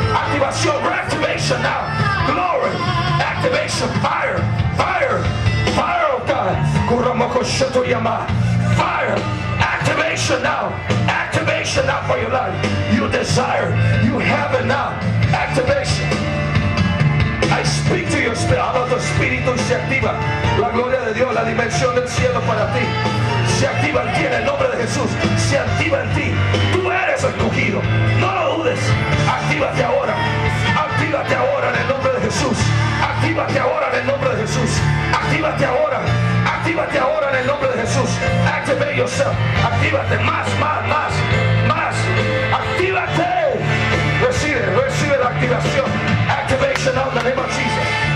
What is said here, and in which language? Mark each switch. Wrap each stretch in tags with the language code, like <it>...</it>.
<en>Activación, reactivation now. Glory, activation, fire, fire, fire of God. Kuramoko shoto yama. Fire, activation now for your life. You desire, you have it now. Activation. I speak to your spirit.</en> <es>Habla tu espíritu y se activa la gloria de Dios, la dimensión del cielo para ti. Se activa en ti en el nombre de Jesús. Se activa en ti. Tú eres escogido. No lo dudes. Actívate ahora. Actívate ahora en el nombre de Jesús. Actívate ahora en el nombre de Jesús. Actívate ahora. Actívate ahora en el nombre de Jesús. Activate yourself. Actívate más, más, más, más. Actívate. Recibe, recibe la activación.</es> <en>Activation now in the name of Jesus.</en>